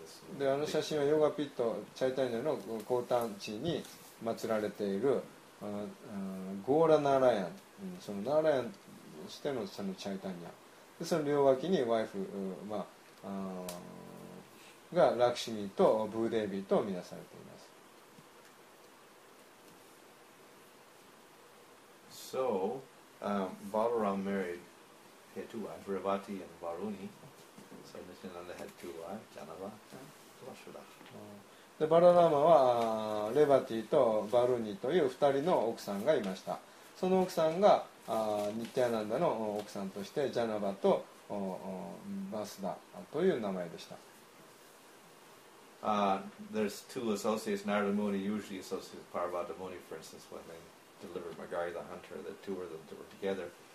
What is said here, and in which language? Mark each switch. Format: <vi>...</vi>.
<en>And that picture is in Yoga Pit, Chaitanya's Kotan-chi.</en> <ja>ゴーラナーラヤン、そのナーラヤンとしてのそのチャイタニア、でその両脇にワイフ、まあ、がラクシミとブーデービーと見なされています。</ja> <en>So, Balaram married he two wives, Revati and Varuni. So, Nityananda had two wives, Janava and Vasudha.</en> <ja>でバラダーマはレバティとバルニという2人の奥さんがいました。その奥さんがニッティアナンダの奥さんとしてジャナバとバスダという名前でした。</ja> <en>There's two associates. Narada Muni usually associates Parvata Muni, for instance, when they delivered Magari the hunter, the two of them were together.</en>